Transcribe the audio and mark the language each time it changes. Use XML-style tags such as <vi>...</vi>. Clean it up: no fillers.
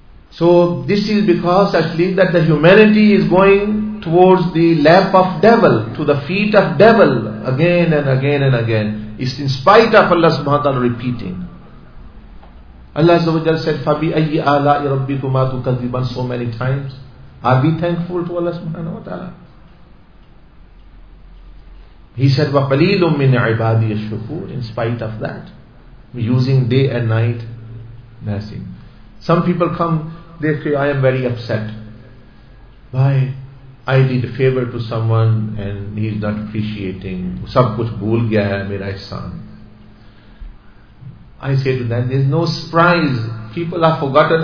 <en>So this is because actually that the humanity is going towards the lap of devil, to the feet of devil again and again and again. It's in spite of Allah subhanahu wa ta'ala repeating. Allah Azzawajal said, فَبِأَيِّ آلَاءِ رَبِّكُمَا تُكَذِّبَانِ, so many times. Are we thankful to Allah subhanahu wa ta'ala?</en> <ar>He said, وَقَلِيلٌ مِّنْ عِبَادِي الشُّكُورِ.</ar> <en>In spite of that, using day and night nursing. Some people come, they say, I am very upset. Why? I did a favor to someone and he is not appreciating. Sab kuch bhool gaya hai mera ihsaan. I say to them, there is no surprise. People are forgotten.</en>